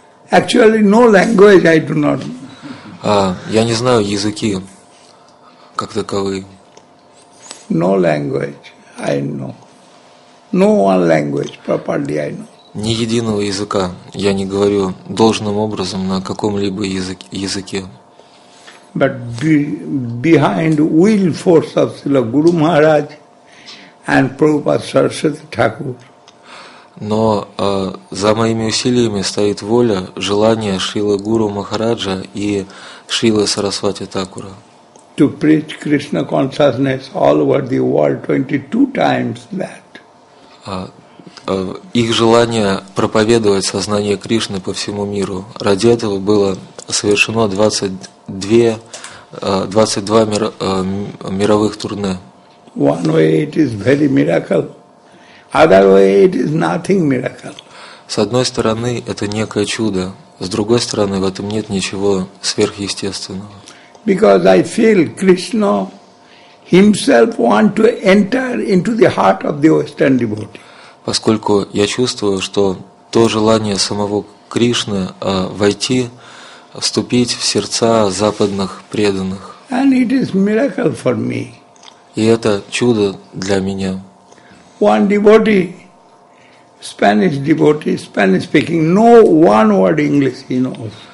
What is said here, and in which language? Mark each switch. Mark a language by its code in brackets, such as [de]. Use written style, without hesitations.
[en] Actually, no language I do not know. [ru] Я не знаю языки как таковые. [en] No language I know. No one language properly I know. [ru] Ни единого языка я не говорю должным образом на каком-либо языке. [en] But behind will force of Srila Guru Maharaj and Prabhupada Saraswati Thakur. [ru] Но за моими усилиями стоит воля, желание Шрилы Гуру Махараджа и Шрилы Сарасвати Такура. [en] To preach Krishna consciousness all over the world 22 times that. [ru] Их желание проповедовать сознание Кришны по всему миру. Ради этого было совершено 22 мировых турне. [en] One way it is very miracle. Other way it is nothing miracle. [ru] С одной стороны, это некое чудо. С другой стороны, в этом нет ничего сверхъестественного. [en] Because I feel Krishna himself wants to enter into the heart of the Western devotee. [ru] Поскольку я чувствую, что то желание самого Кришны войти, вступить в сердца западных преданных. [en] And it is miracle for me. [ru] И это чудо для меня. [en] One devotee, Spanish devotee, Spanish speaking, no one word English he knows.